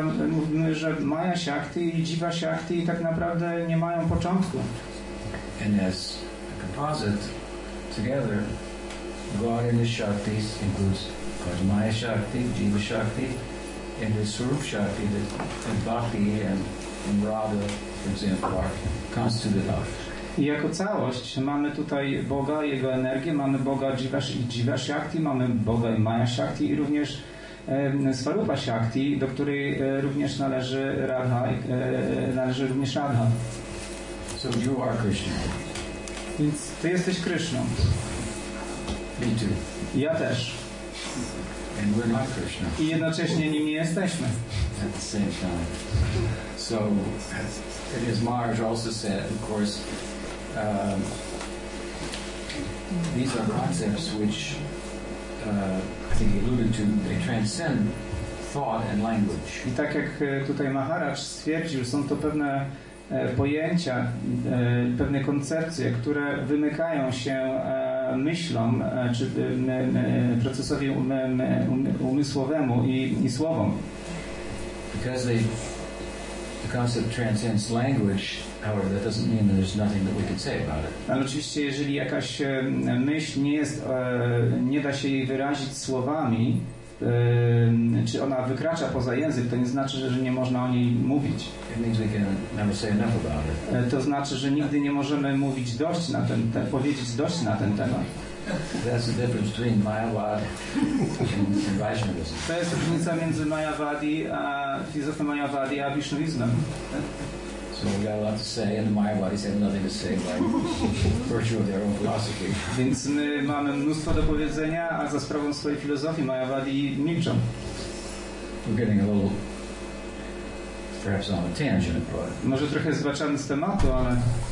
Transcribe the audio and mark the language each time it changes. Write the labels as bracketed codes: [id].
[pl] Mówimy, że Maya Shakti i Jiva Shakti tak naprawdę nie mają początku. [en] And as a composite together, God in his Shaktis includes Padmaya Shakti, Jiva Shakti, and his Swarup Shakti that Bhakti and Radha, for example, are constituted of. [pl] I jako całość mamy tutaj Boga i jego energię, mamy Boga Jiva Shakti, mamy Boga i Maya Shakti i również Swarupa Shakti, do której również należy Radha. Należy również Radha. [en] So you are Krishna. [pl] Więc ty jesteś Krishną. [en] Me too. [pl] Ja też. [en] And we're not Krishna. [pl] I jednocześnie nim nie jesteśmy. [en] At the same time. So, as Maharaj also said, of course, these are concepts which I think he alluded to, they transcend thought and language. [pl] I tak jak tutaj Maharaj stwierdził, są to pewne pojęcia, pewne koncepcje, które wymykają się myślom czy procesowi umysłowemu i słowom. [en] Because the concept transcends language, however, that doesn't mean that there's nothing that we can say about it. [pl] Ale oczywiście, jeżeli jakaś myśl nie da się jej wyrazić słowami, czy ona wykracza poza język, to nie znaczy, że nie można o niej mówić. [en] It means we can never say enough about it. [pl] To znaczy, że nigdy nie możemy mówić dość na ten temat, powiedzieć dość na ten temat. [en] That's the difference between Mayavad and Vaishnavism. [pl] To jest różnica między Mayavadi a filozofią Mayavadi a Vishnuizmem. [en] So we got a lot to say, and the Mayavadis have nothing to say by virtue of their own philosophy. [pl] Więc my mamy mnóstwo do powiedzenia, a za sprawą swojej filozofii Mayavadi milczą. [en] We're getting a little, perhaps on a tangent, but. [pl] Może trochę zbaczamy z tematu, ale.